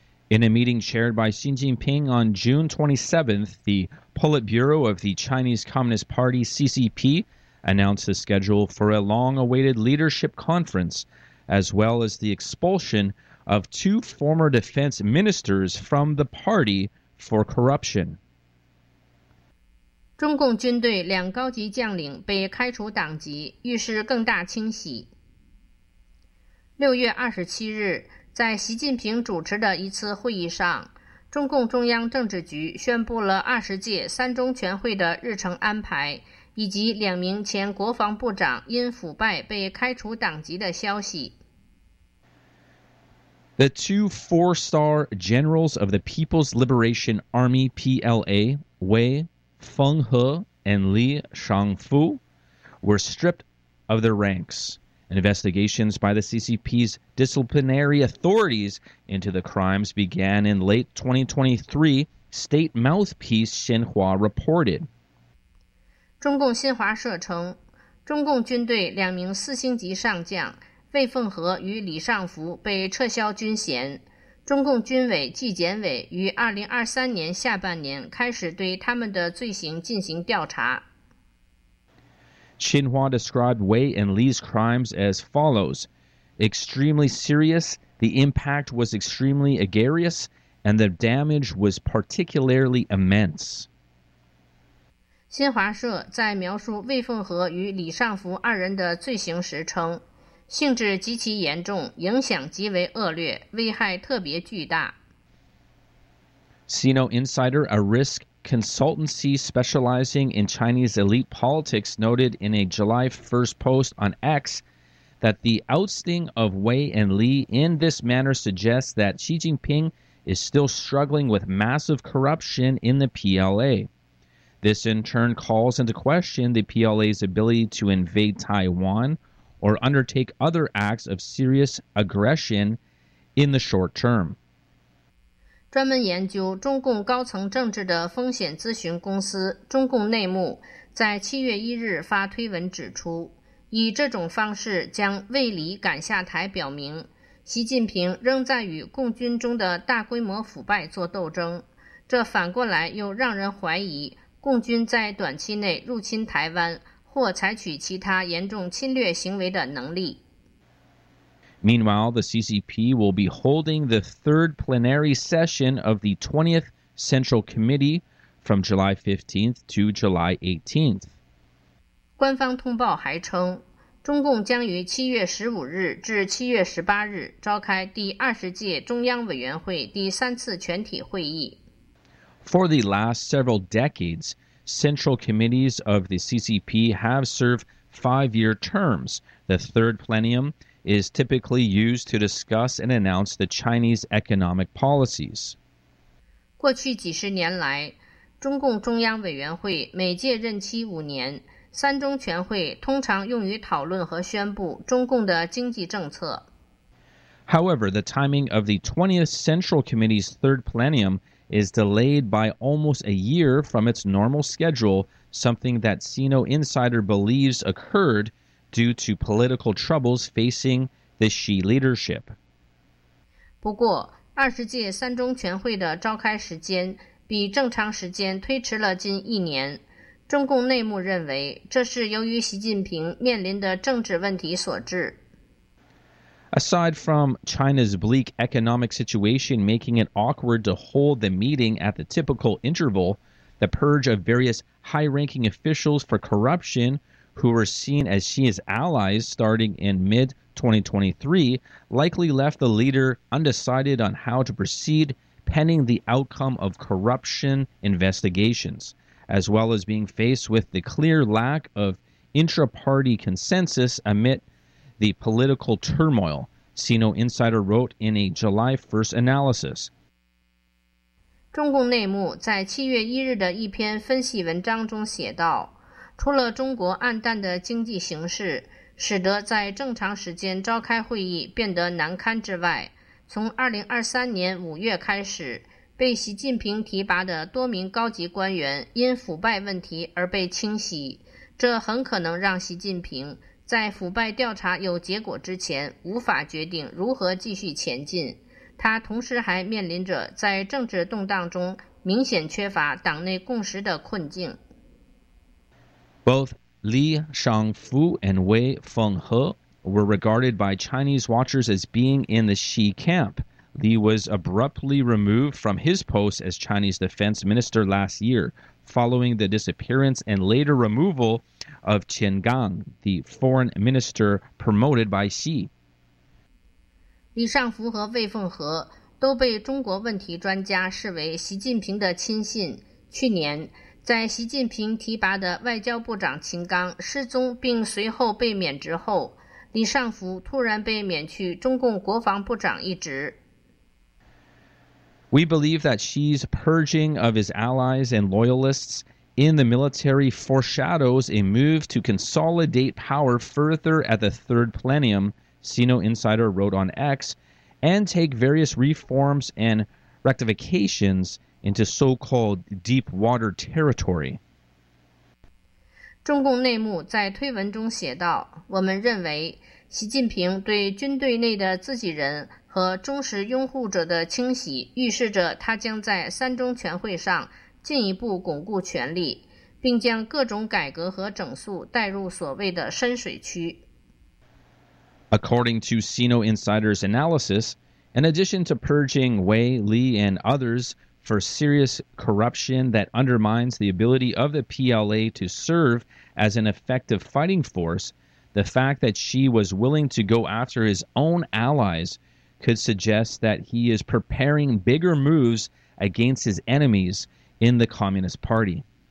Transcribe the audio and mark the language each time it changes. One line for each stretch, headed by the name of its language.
English: In a meeting chaired by Xi Jinping on June 27th, the Politburo of the Chinese Communist Party, CCP, announced the schedule for a long-awaited leadership conference, as well as the expulsion of two former defense ministers from the party for corruption.
Chinese: 中共军队两高级将领被开除党籍，预示更大清洗。 6月27日，在习近平主持的一次会议上，中共中央政治局宣布了20届三中全会的日程安排，以及两名前国防部长因腐败被开除党籍的消息。
English: The two four-star generals of the People's Liberation Army, PLA, Wei Feng He and Li Shangfu, were stripped of their ranks. Investigations by the CCP's disciplinary authorities into the crimes began in late 2023, state mouthpiece Xinhua reported.
Chinese: 中共新华社称，中共军队两名四星级上将魏凤和与李尚福被撤销军衔，中共军委纪检委于2023年下半年开始对他们的罪行进行调查。
English: Xinhua described Wei and Li's crimes as follows. Extremely serious, the impact was extremely egregious, and the damage was particularly immense.
Chinese: 新华社在描述魏凤和与李尚福二人的罪行时称，性质极其严重，影响极为恶劣，危害特别巨大。
English: Sino Insider, a risk consultancy specializing in Chinese elite politics, noted in a July 1st post on X that the ousting of Wei and Li in this manner suggests that Xi Jinping is still struggling with massive corruption in the PLA. This in turn calls into question the PLA's ability to invade Taiwan or undertake other acts of serious aggression in the short term.
Chinese: 专门研究中共高层政治的风险咨询公司中共内幕在7月1日发推文指出，以这种方式将魏李赶下台，表明习近平仍在与共军中的大规模腐败做斗争，这反过来又让人怀疑共军在短期内入侵台湾或采取其他严重侵略行为的能力。
English: Meanwhile, the CCP will be holding the third plenary session of the 20th Central Committee from July 15th to July 18th.
Chinese: 官方通报还称，中共将于7月15日至7月18日召开第20届中央委员会第三次全体会议。
English: For the last several decades, Central committees of the CCP have served five-year terms. The third plenum is typically used to discuss and announce the Chinese economic policies.
Chinese: 过去几十年来，中共中央委员会每届任期五年，三中全会通常用于讨论和宣布中共的经济政策。
English: However, the timing of the 20th Central Committee's third plenum is delayed by almost a year from its normal schedule, something that Sino Insider believes occurred due to political troubles facing the Xi leadership.
Chinese: 不过，二十届三中全会的召开时间比正常时间推迟了近一年。中共内幕认为，这是由于习近平面临的政治问题所致。
English: Aside from China's bleak economic situation making it awkward to hold the meeting at the typical interval, the purge of various high-ranking officials for corruption who were seen as Xi's allies starting in mid-2023 likely left the leader undecided on how to proceed pending the outcome of corruption investigations. as well as being faced with the clear lack of intra-party consensus amid the political turmoil, Sino Insider wrote in a July 1st analysis.
Chinese: 中共内幕在7月1日的一篇分析文章中写道，除了中国暗淡的经济形势使得在正常时间召开会议变得难堪之外，从2023年5月开始，被习近平提拔的多名高级官员因腐败问题而被清洗，这很可能让习近平在腐败调查有结果之前无法决定如何继续前进。他同时还面临着在政治动荡中明显缺乏党内共识的困境。
English: Both Li Shangfu and Wei Fenghe were regarded by Chinese watchers as being in the Xi camp. Li was abruptly removed from his post as Chinese defense minister last year, following the disappearance and later removal of Qin Gang, the foreign minister promoted by Xi.
Chinese: 李尚福和魏凤和都被中国问题专家视为习近平的亲信。去年在习近平提拔的外交部长秦刚失踪并随后被免职后，李尚福突然被免去中共国防部长一职。
English: We believe that Xi's purging of his allies and loyalists in the military foreshadows a move to consolidate power further at the third plenum, Sino Insider wrote on X, and take various reforms and rectifications into so-called deep water territory.
Chinese: 中共内幕在推文中写道，我们认为习近平对军队内的自己人和忠实拥护者的清洗预示着他将在三中全会上进一步巩固权力，并将各种改革和整肃带入所谓的深水区。
English: According to Sino Insider's analysis, in addition to purging Wei, Li, and others for serious corruption that undermines the ability of the PLA to serve as an effective fighting force, the fact that Xi was willing to go after his own allies could suggest that he is preparing bigger moves against his enemies in the Communist Party.